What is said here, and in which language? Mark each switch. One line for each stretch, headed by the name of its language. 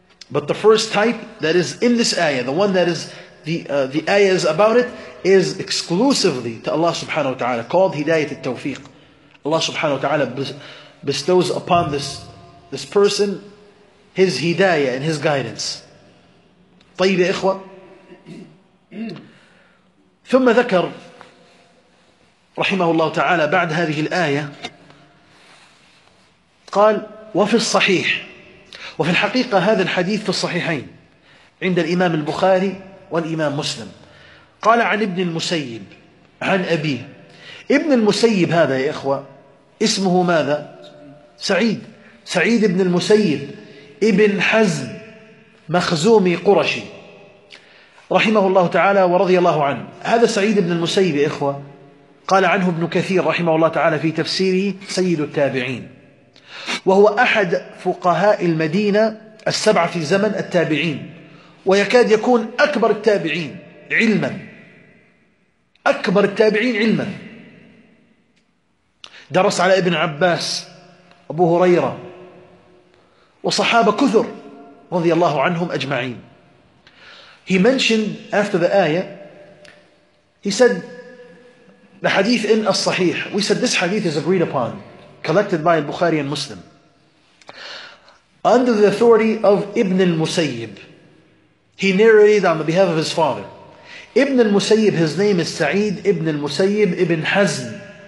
English: But the first type that is in this ayah, the one that is the ayah is about it, is exclusively to Allah subhanahu wa ta'ala, called hidayat al-tawfiq. Allah subhanahu wa ta'ala bestows upon this person his hidayah and his guidance.
Arabic: طيب يا إخوة. ثم ذكر رحمه الله تعالى بعد هذه الآية قال وفي الصحيح. وفي الحقيقة هذا الحديث في الصحيحين عند الإمام البخاري والإمام مسلم. قال عن ابن المسيب عن أبيه. ابن المسيب هذا يا إخوة اسمه ماذا؟ سعيد. سعيد ابن المسيب ابن حزم مخزومي قرشي رحمه الله تعالى ورضي الله عنه. هذا سعيد بن المسيب يا إخوة قال عنه ابن كثير رحمه الله تعالى في تفسيره سيد التابعين, وهو أحد فقهاء المدينة السبعة في زمن التابعين, ويكاد يكون أكبر التابعين علما, أكبر التابعين علما. درس على ابن عباس أبو هريرة وصحابة كثر رضي الله عنهم أجمعين.
English: He mentioned after the ayah, he said the hadith in al-sahih, we said this hadith is agreed upon, collected by al-Bukhari and Muslim, under the authority of Ibn al-Musayyib. He narrated on the behalf of his father. Ibn al-Musayyib, his name is Sa'id Ibn al-Musayyib Ibn Hazm.